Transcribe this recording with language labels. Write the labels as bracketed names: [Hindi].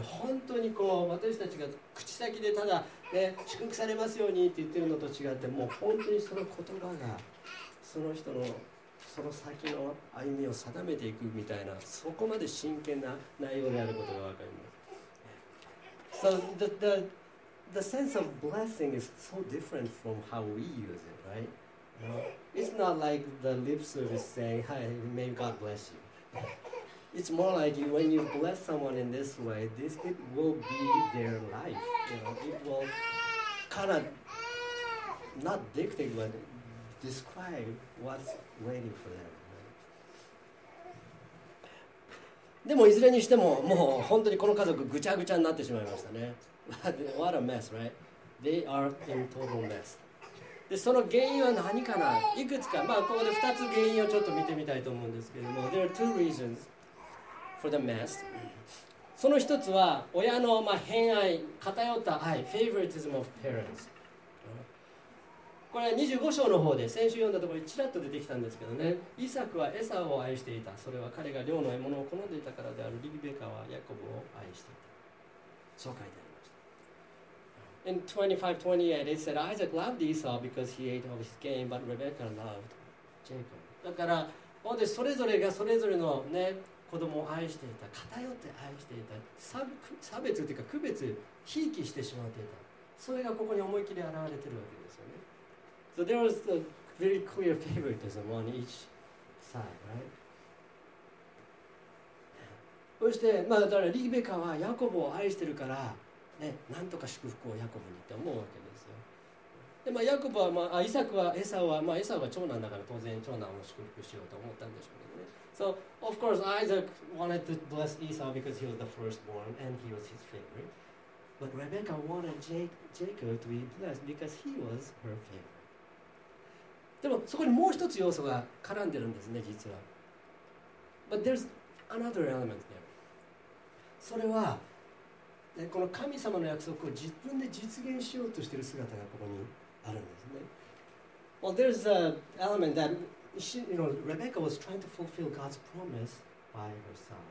[Japanese] 本当にこう、私たちが口先でただ、ね、祝福されますようにって言ってるのと違って、もう本当にその言葉がその人のその先の歩みを定めていくみたいな、そこまで真剣な内容であることが分かります。 [English] So the sense of blessing is so different from how we use it, right? It's not like the lip service saying, "Hi, may God bless you." It's more like when you bless someone in this way, this it will be their life. You know, it will kind of not dictate, but describe what's waiting for them. [Japanese] でもいずれにしても、もう本当にこの家族ぐちゃぐちゃになってしまいましたね。 [English] What a mess, right? They are in total mess. [Japanese] でその原因は何かな、いくつか、まあ、ここで2つ原因をちょっと見てみたいと思うんですけれども、 [English] There are two reasons for the mess. [Japanese] その一つは親の、まあ、偏愛、偏った愛、 [English] favoritism of parents. [Japanese] これは25章の方で先週読んだところにちらっと出てきたんですけどね。イサクはエサを愛していた。それは彼が寮の獲物を好んでいたからである。リベカはヤコブを愛していた。そう書いてある。 [English] In 25:28, it said Isaac loved Esau because he ate of his gain, but Rebecca loved Jacob. [Japanese] だから、本当にそれぞれがそれぞれの、ね、子供を愛していた、偏って愛していた、差別というか区別、ひいきしてしまっていた。それがここに思い切り現れているわけですよね。 [English] So there was a very clear favoritism on each side, right? [Japanese] そして、まあ、だからリベカはヤコブを愛してるから、ね、なんとか祝福をヤコブにって思うわけですよ。で、まあ、ヤコブは、まあ、イサクはエサウは、まあ、エサウは長男だから当然長男を祝福しようと思ったんでしょうけどね。So [English] Of course, Isaac wanted to bless Esau because he was the firstborn and he was his favorite. But Rebecca wanted Jacob to be blessed because he was her favorite. [Japanese] でもそこにもう一つ要素が絡んでるんですね、実は。 [English] But there's another element there. [Japanese] それは、ね、この神様の約束を自分で実現しようとしている姿がここにあるんですね。 [English] Well, there's an element that she, you know, Rebecca was trying to fulfill God's promise by herself.